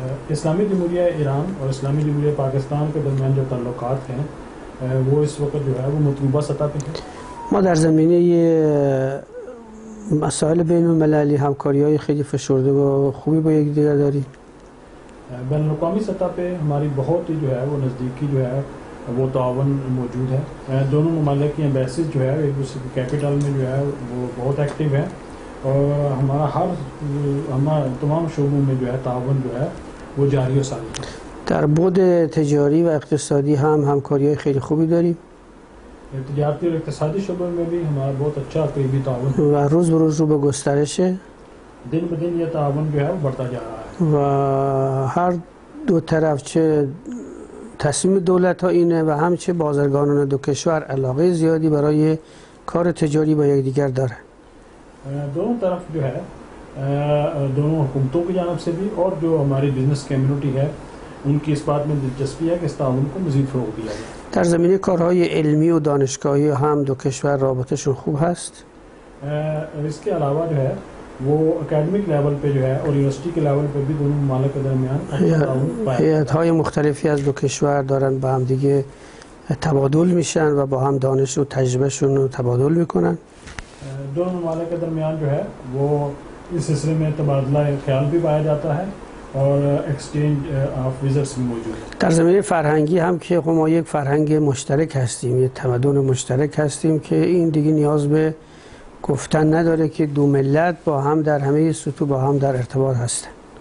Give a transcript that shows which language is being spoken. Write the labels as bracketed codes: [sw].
[fa] اسلامی جمهوری ایران و اسلامی جمهوری پاکستان که درمیان [ur] جو تعلقات هستن وہ اس وقت جو ہے وہ مطلوبہ سطح پہ ہیں. [fa] ما در زمینه یہ مسائل بین المللی همکاری های خیلی فشرده و خوبی با یک دیگر داریم. [ur] بین الاقوامی سطح پہ ہماری بہت جو ہے وہ نزدیکی جو ہے وہ تعاون موجود ہے. دونوں ممالک کی ایمبیسیز جو ہے ایک دوسرے کی کیپیٹل میں جو ہے وہ بہت ایکٹیو ہیں اور ہمارا ہر تمام شعبوں میں جو ہے تعاون جو ہے وہ جاری و ساری. [fa] در بود تجاری و اقتصادی هم همکاری های خیلی خوبی داریم. [ur] تجارتی و اقتصادی شعبه میں بھی ہمارا بہت اچھا قریبی تعاون [fa] و روز به روز رو به گسترش ہے. [ur] دن به دن یہ تعاون جو ہے وہ بڑھتا جا رہا ہے [fa] و هر دو طرف، چه تصمیم دولت ها اینه و هم چه بازرگانان دو کشور، علاقه زیادی برای کار تجاری با یکدیگر داره. [ur] دونوں طرف جو ہے، دونوں حکومتوں کی جانب سے بھی اور جو ہماری بزنس کمیونٹی ہے ان کی اس بات میں دلچسپی ہے کہ اس تعاون کو مزید فروغ دیا جائے؟ [fa] در زمینه کارهای علمی و دانشگاهی هم دو کشور رابطهشون خوب هست. [ur] اس کے علاوہ جو ہے وہ اکیڈمک لیول پہ جو ہے اور یونیورسٹی کے لیول پہ بھی دونوں ممالک کے درمیان [fa] هیئت‌های مختلفی از دو کشور دارن با هم دیگه تبادل میشن و با هم دانش و تجربهشون رو تبادل میکنن. [ur] دو ممالک کے درمیان جو ہے وہ اس سلسلے میں تبادلہ خیال بھی پایا جاتا ہے اور ایکسچینج آف ویزرز بھی موجود ہے. [fa] در زمینه فرهنگی هم که خب ما یک فرهنگ مشترک هستیم، یک تمدن مشترک هستیم که این دیگه نیاز به گفتن نداره که دو ملت با هم در همه سطوح با هم در ارتباط هستند.